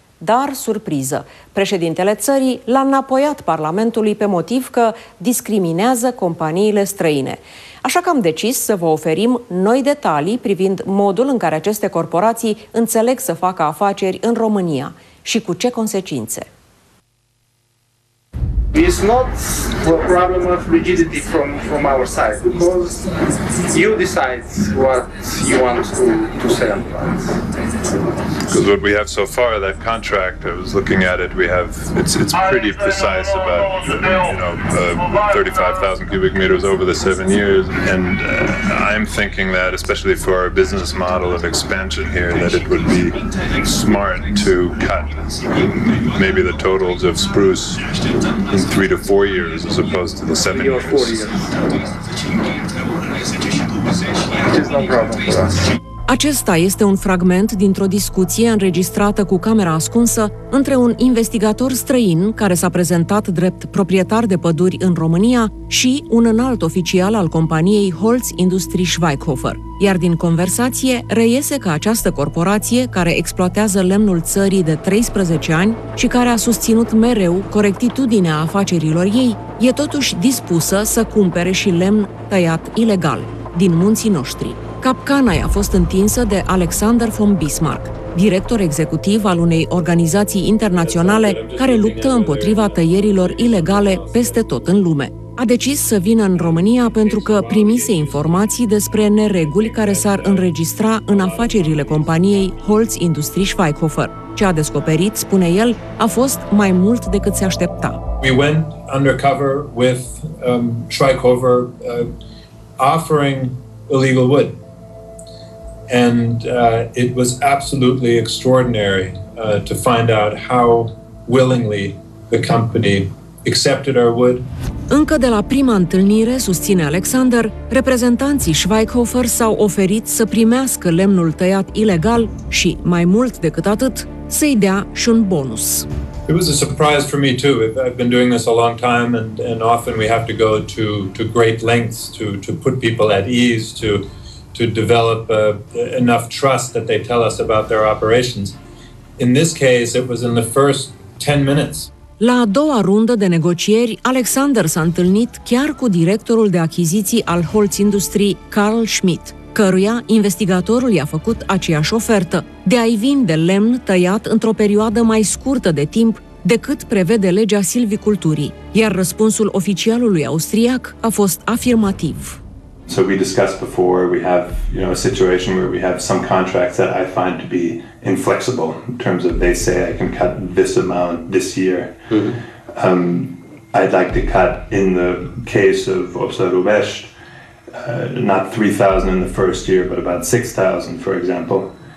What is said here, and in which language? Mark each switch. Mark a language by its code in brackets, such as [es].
[ro] Dar, surpriză, președintele țării l-a înapoiat Parlamentului pe motiv că discriminează companiile străine. Așa că am decis să vă oferim noi detalii privind modul în care aceste corporații înțeleg să facă afaceri în România și cu ce consecințe. [en] It's not a problem of rigidity from our side, because you decide what you want to sell. Because what we have so far, that contract, I was looking at it, we have, it's pretty precise about, you know, 35,000 cubic meters over the 7 years, and I'm thinking that, especially for our business model of expansion here, that it would be smart to cut maybe the totals of spruce in 3 to 4 years as opposed to the 7 years. 4 years. It's not a problem for us. [ro] Acesta este un fragment dintr-o discuție înregistrată cu camera ascunsă între un investigator străin care s-a prezentat drept proprietar de păduri în România și un înalt oficial al companiei Holz Industrie Schweighofer. Iar din conversație reiese că această corporație, care exploatează lemnul țării de 13 ani și care a susținut mereu corectitudinea afacerilor ei, e totuși dispusă să cumpere și lemn tăiat ilegal din munții noștri. Capcana i-a fost întinsă de Alexander von Bismarck, director executiv al unei organizații internaționale care luptă împotriva tăierilor ilegale peste tot în lume. A decis să vină în România pentru că primise informații despre nereguli care s-ar înregistra în afacerile companiei Holz Industrie Schweighofer. Ce a descoperit, spune el, a fost mai mult decât se aștepta. [en] We went undercover with Schweighofer offering illegal wood. And it was absolutely extraordinary to find out how willingly the company accepted our wood. [ro] Încă de la prima întâlnire, susține Alexander, reprezentanții Schweighofer s-au oferit să primească lemnul tăiat ilegal și, mai mult decât atât, să-i dea și un bonus. [en] It was a surprise for me too. I've been doing this a long time, and often we have to go to great lengths to put people at ease, to develop enough trust that they tell us about their operations. In this case, it was in the first 10 minutes. [ro] La a doua rundă de negocieri, Alexander s-a întâlnit chiar cu directorul de achiziții al Holz Industrie, Carl Schmidt, căruia investigatorul i-a făcut aceeași ofertă, de a-i vinde lemn tăiat într-o perioadă mai scurtă de timp decât prevede legea silviculturii. Iar răspunsul oficialului austriac a fost afirmativ. [en] So we discussed before, we have, you know, a situation where we have some contracts that I find to be inflexible in terms of, they say I can cut this amount this year. Mm-hmm. I'd like to cut, in the case of Obsa-Rubesh, not 3,000 in the first year, but about 6,000, for example.